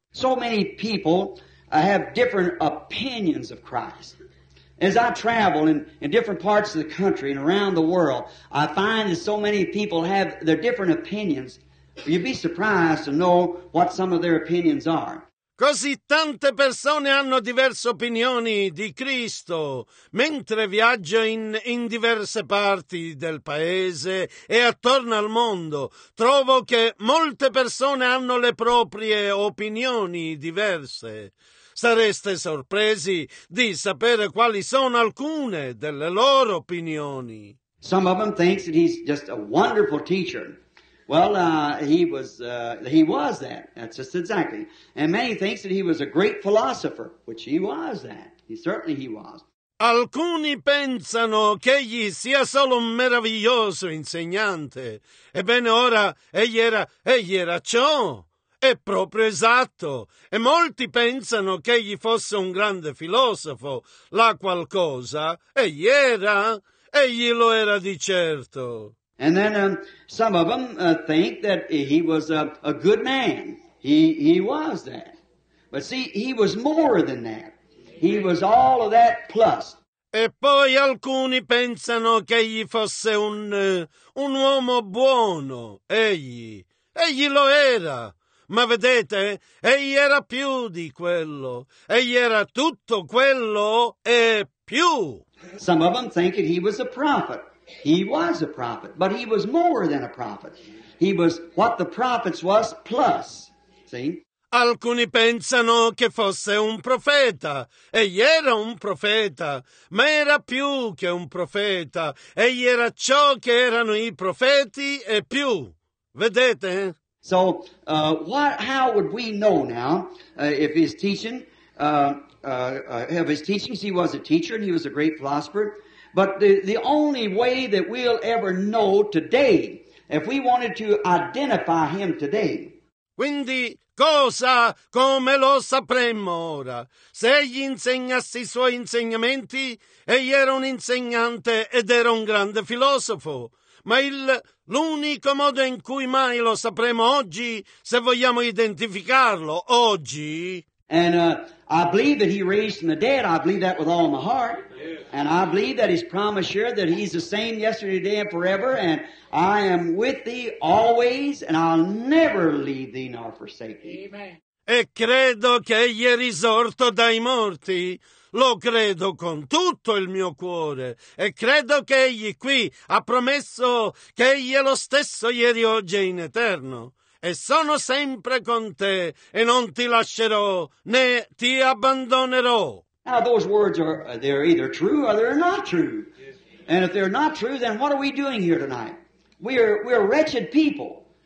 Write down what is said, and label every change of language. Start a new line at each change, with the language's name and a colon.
English: So many people have different opinions of Christ. As I travel in different parts of the country and around the world, I find that so many people have their different opinions. You'd be surprised to know what some of their opinions are.
Italian: Così tante persone hanno diverse opinioni di Cristo mentre viaggio in diverse parti del paese e attorno al mondo. Trovo che molte persone hanno le proprie opinioni diverse. Sareste sorpresi di sapere quali sono alcune delle loro opinioni.
English: Some of them think that he's just a wonderful teacher. Well, he was that. That's just exactly. And many think that he was a great philosopher, which he was that. He certainly was.
Italian: Alcuni pensano che egli sia solo un meraviglioso insegnante. Ebbene ora, egli era ciò. È proprio esatto. E molti pensano che egli fosse un grande filosofo. La qualcosa, egli lo era di certo.
English: And then some of them think that he was a good man. He was that. But see, he was more than that. He was all of that plus.
Italian: E poi alcuni pensano che egli fosse un uomo buono. Egli lo era. Ma vedete, egli era più di quello. Egli era tutto quello e più.
English: Some of them think that he was a prophet. He was a prophet, but he was more than a prophet. He was what the prophets was plus. See?
Italian: Alcuni pensano che fosse un profeta. Egli era un profeta, ma era più che un profeta. Egli era ciò che erano i profeti e più. Vedete?
English: So, how would we know now if his teaching, of his teachings, he was a teacher and he was a great philosopher? But the only way that we'll ever know today, if we wanted to identify him today.
Italian: Quindi, cosa come lo sapremmo ora? Se egli insegnasse i suoi insegnamenti, egli era un insegnante ed era un grande filosofo. Ma l'unico modo in cui mai lo sapremo oggi, se vogliamo identificarlo oggi.
English: And I believe that he raised from the dead. I believe that with all my heart. And I believe that his promise here, that he's the same yesterday, today, and forever. And I am with thee always, and I'll never leave thee nor forsake thee. Amen.
Italian: E credo che egli è risorto dai morti. Lo credo con tutto il mio cuore. E credo che egli qui ha promesso che egli è lo stesso ieri, oggi e in eterno. E sono sempre con te, e non ti lascerò, né ti abbandonerò.
English: Now those words are, they're either true or they're not true. And if they're not true, then what are we doing here tonight? We're wretched people.